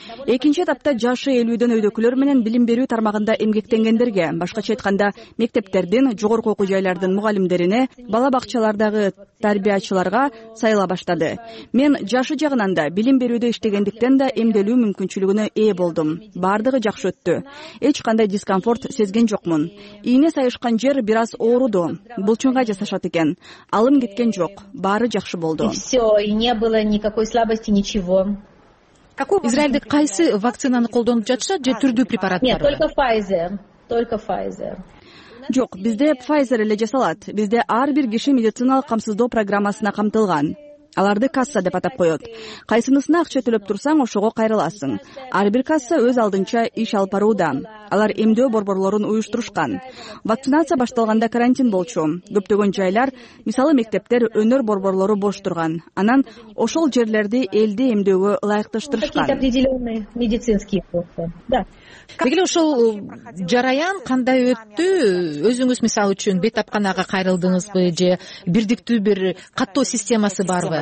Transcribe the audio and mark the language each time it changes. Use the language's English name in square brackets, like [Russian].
[Kyrgyz] Экинчи этапта жашы 50 өйдөкүлөр менен билим берүү тармагында эмгектенгендерге, башкача айтканда мектептердин, жогорку окуу жайлардын мугалимдерине, бала бакчалардагы тарбиячыларга сайыла баштады. Мен жашы жагынан да билим берүүдө иштегендиктен да эмделүү мүмкүнчүлүгүнө ээ болдум. Бардыгы жакшы өттү. Эч кандай дискомфорт сезген жокмун. Ийне сайышкан жер бир аз ооруду. Булчуңга жасашат экен. Алым кеткен жок. Баары жакшы болду. [Russian] Все, и не было никакой слабости, ничего. [Kyrgyz] Израилде кайсы вакцинаны колдонуп жатышат же түрдүү препараттар? [Russian] Нет, только Pfizer. Только Pfizer. [Kyrgyz] Жок, бизде Pfizer эле жасалат. Бизде ар бир киши медициналык камсыздоо программасына камтылган. Аларды касса деп атап коёт. Кайсынысына акча төлөп турсаң, ошого кайрыласың. Ар бир касса өз алдынча иш алып барууда. Алар эмдөө борборлорун уюштурушкан. Вакцинация башталганда карантин болчу. Көптөгөн жайлар, мисалы мектептер, өнөр борборлору бош турган. Анан ошол жерлерди элди эмдөөгө ылайыкташтырышкан. Дегиле ошол жараян кандай өттү? Өзүңүз мисал үчүн бетапканага кайрылдыңызбы же бирдиктүү бир каттоо системасы барбы?